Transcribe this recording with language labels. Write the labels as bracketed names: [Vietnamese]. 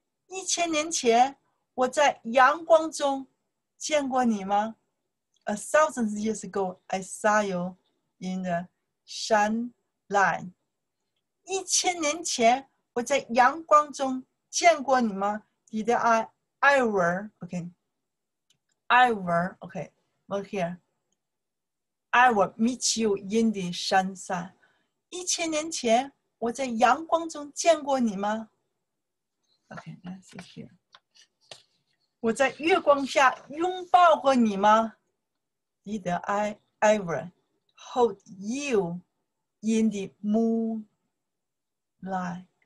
[Chinese] 1,000年前, 我在阳光中见过你吗? [English] 1,000 years ago, I saw you in the sunlight. [Chinese] 1,000年前, 我在阳光中见过你吗? [English] Did I were, okay. I were, okay. Look here. I will meet you in the sunshine. [Chinese] 1,000年前, 我在阳光中见过你吗? [English] Okay, let's see here. [Chinese] 我在月光下拥抱过你吗? [English] Did I ever hold you in the moonlight?